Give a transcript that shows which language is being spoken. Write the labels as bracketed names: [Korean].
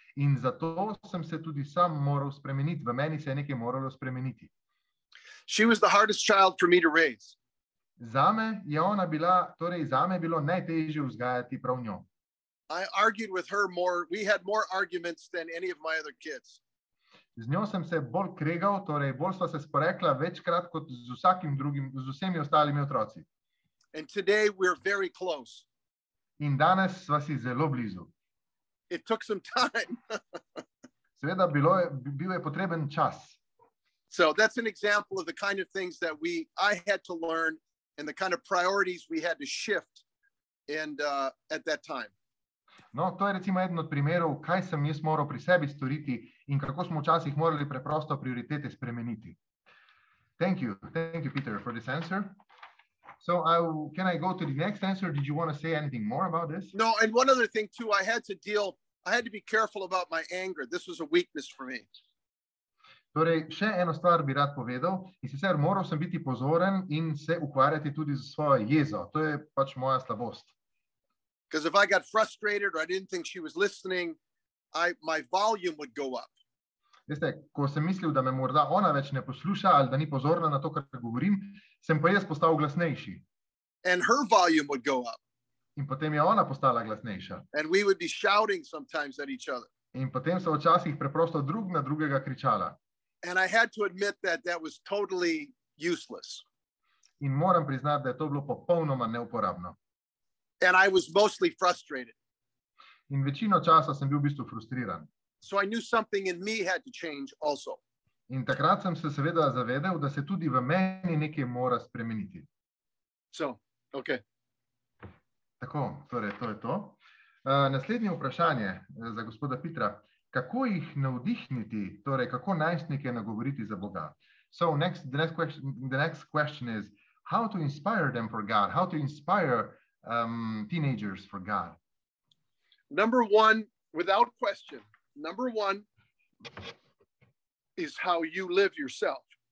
[Slovenian] In zato sem se tudi sam moral spremeniti. V meni se je nekaj moralo spremeniti. [English] She was the hardest child for me to raise. [Slovenian] Zame je ona bila, torej zame bilo najtežje vzgajati prav njo. [English] I argued with her more, we had more arguments than any of my other kids. [Slovenian] Z njo sem se bolj kregal, torej bolj sva se sporekla večkrat kot z vsakim drugim, z vsemi ostalimi otroci. [English] And today we're very close. [Slovenian] In danes sva si zelo blizu. [English] It took some time. [Slovenian] Seveda bil je potreben čas. [English] So that's an example of the kind of things that I had to learn and the kind of priorities we had to shift and at that time. [Slovenian] No, to je recimo eden od primerov, kaj sem jaz moral pri sebi storiti in kako smo včasih morali preprosto prioritete spremeniti. [English] Thank you, Peter, for this answer. So, can I go to the next answer? Did you want to say anything more about this? No, and one other thing too, I had to be careful about my anger. This was a weakness for me. [Slovenian] Torej, še eno stvar bi rad povedal, in sicer moral sem biti pozoren in se ukvarjati tudi z svojo jezo. To je pač moja slabost. [English] Because if I got frustrated or I didn't think she was listening, my volume would go up. [Slovenian] Veste, ko sem mislil, da me morda ona več ne posluša ali da ni pozorna na to, kar govorim, sem pa jaz postal glasnejši. [English] And her volume would go up. [Slovenian] In potem je ona postala glasnejša. [English] And we would be shouting sometimes at each other. [Slovenian] In potem so včasih preprosto drug na drugega kričala. [English] And I had to admit that was totally useless. [Slovenian] In moram priznati, da je to bilo popolnoma neuporabno. [English] And I was mostly frustrated. [Slovenian] In večino časa sem bil v bistvu frustriran. [English] So I knew something in me had to change also. [Slovenian] In takrat sem se seveda zavedel, da se tudi v meni nekaj mora spremeniti. [English] So, okay. [Slovenian] Tako, torej, to je to. Naslednje vprašanje za gospoda Petra. Kako jih navdihniti, torej, kako najstnike nagovoriti za Boga? [English] So, the next question is, how to inspire them for God? How to inspire teenagers for God? Number one, without question, number one is how you live yourself.